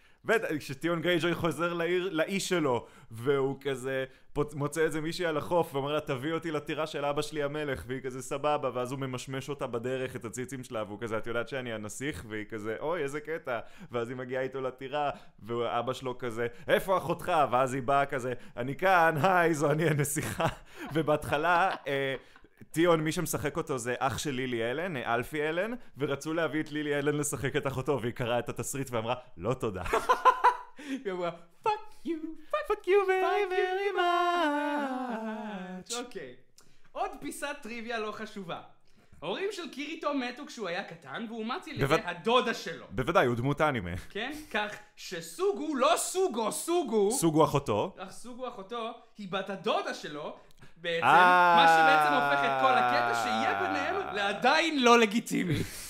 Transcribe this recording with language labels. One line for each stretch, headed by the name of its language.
Hebrew: וכשטיון גרייג'וי חוזר לעיר, לאיש שלו, והוא כזה מוצא איזה מישהי על החוף, ואומר לה, תביא אותי לטירה של אבא שלי המלך, והיא כזה סבבה, ואז הוא ממשמש אותה בדרך, את הציצים שלה, והוא כזה, את יודעת שאני הנסיך, והיא כזה, אוי, איזה קטע, ואז היא מגיעה איתו לטירה, ואבא שלו כזה, איפה אחותך? ואז היא באה כזה, אני כאן, היי, זו אני הנסיכה. ובהתחלה, טיון, מי שמשחק אותו זה אח של לילי אלן, אלפי אלן, ורצו להביא את לילי אלן לשחק את אחותו, והיא קראה את התסריט ואמרה, לא תודה. היא אמרה,
English: fuck you, fuck you very much.
Hebrew: אוקיי, עוד פיסת טריוויה לא חשובה. הורים של קיריטו מתו כשהוא היה קטן, והוא מציל לזה הדודה שלו. בוודאי, הוא דמות אנימה. כן, כך שסוגו, לא סוגו, סוגו. סוגו אחותו. אך סוגו אחותו, היא בת הדודה שלו, בעצם, מה שבעצם הופך את כל הקטע שיהיה ביניהם לעדיין לא לגיטימי.